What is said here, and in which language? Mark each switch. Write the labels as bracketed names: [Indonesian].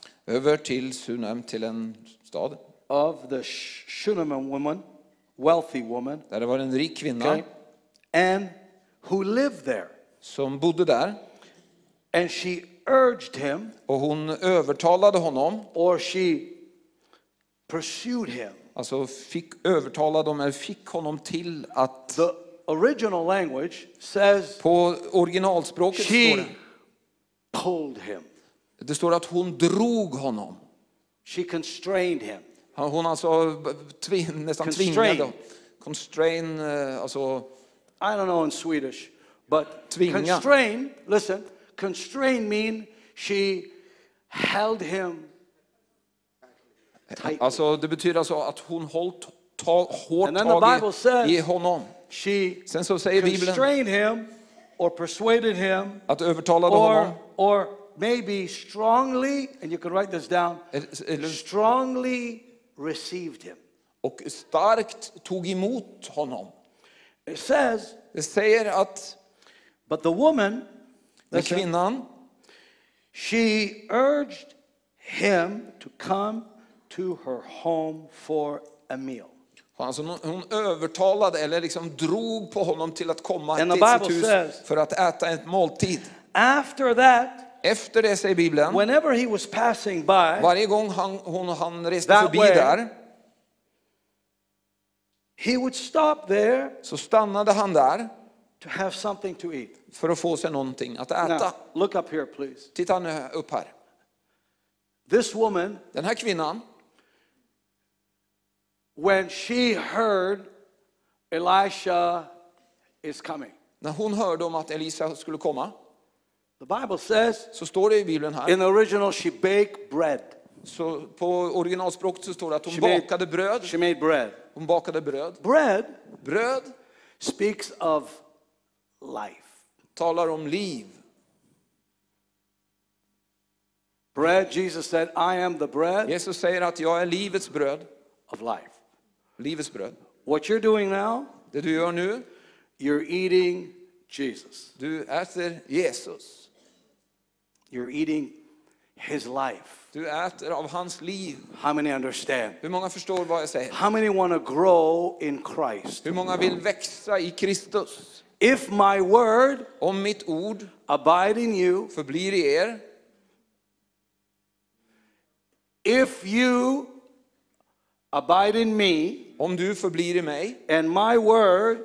[Swedish] över till Sunem, till en stad [English] of the Shunamite woman, wealthy woman, [Swedish] där det var en rik kvinna, [English] and who lived there, [Swedish] som bodde där, [English] and she urged him, [Swedish] och hon övertalade honom, [English] or she pursued him, [Swedish] alltså fick övertala dem eller fick honom till att. [English] Original language says [Swedish] på originalspråket [English] she pulled him. [Swedish] Det står att hon drog honom. [English] She constrained him. [Swedish] Hon alltså nästan tvingade honom. [English] Constrain, [Swedish] alltså [English] I don't know in Swedish, but [Swedish] tvinga. [English] Constrain, listen, constrain mean she held him tight. [Swedish] Alltså det betyder alltså att hon hållt hårt tag i honom. [English] She [Swedish] sen så säger Bibeln, [English] constrained him or persuaded him [Swedish] att övertalade honom, [English] or maybe strongly, and you can write this down, strongly received him, [Swedish] och starkt tog emot honom. [English] It says, [Swedish] det säger att, [English] but the woman, [Swedish] den kvinnan, [English] she urged him to come to her home for a meal. [Swedish] Alltså hon övertalade eller liksom drog på honom till att komma till sitt hus för att äta ett måltid. [English] After that, [Swedish] efter det säger Bibeln, [English] whenever he was passing by, [Swedish] varje gång han reste förbi [English] way, [Swedish] där, [English] he would stop there, [Swedish] så stannade han där [English] to have something to eat, [Swedish] för att få sig någonting att äta. [English] Now, look up here, please. [Swedish] Titta nu upp här. [English] This woman, [Swedish] den här kvinnan, [English] when she heard Elisha is coming. [Swedish] När hon hörde om att Elisa skulle komma. [English] The Bible says, [Swedish] så står det i Bibeln här. [English] In the original she baked bread. [Swedish] Så på originalspråket så står det att hon bakade bröd. [English] She made bread. [Swedish] Hon bakade bröd. [English] Bread, [Swedish] bröd [English] speaks of life. [Swedish] Talar om liv. [English] Bread, Jesus said, I am the bread. [Swedish] Jesus säger att jag är livets bröd. [English] Of life. [Swedish] Livets bröd. [English] What you're doing now? [Swedish] Det du gör nu? [English] You're eating Jesus. [Swedish] Du äter Jesus. [English] You're eating his life. [Swedish] Du äter av hans liv. [English] How many understand? [Swedish] Hur många förstår vad jag säger? [English] How many want to grow in Christ? [Swedish] Hur många vill växa i Kristus? [English] If my word, [Swedish] om mitt ord, [English] abide in you, [Swedish] förblir i er. [English] If you abide in me, [Swedish] om du förblir i mig, [English] and my word,